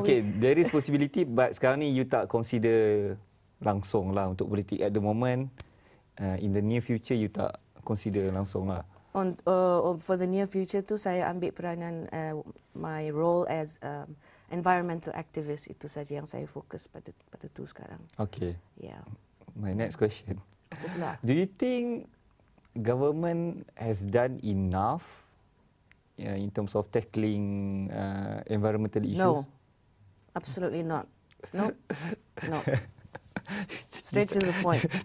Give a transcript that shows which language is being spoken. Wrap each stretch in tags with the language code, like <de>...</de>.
<en>okay, there is possibility, but</en> <ms>sekarang ni</ms> <en>you</en> <ms>tak</ms> <en>consider</en> <ms>langsung lah untuk politik</ms> <en>at the moment. In the near future, you</en> <ms>tak</ms> <en>consider</en> <ms>langsung lah.</ms> <en>For the near future</en> <ms>tu, saya ambil peranan</ms> <en>my role as environmental activist.</en> <ms>Itu saja yang saya fokus pada tu sekarang.</ms> <en>Okay. Yeah. My next question. Do you think government has done enough in terms of tackling environmental issues? No, absolutely not. No. Straight to the point.</en>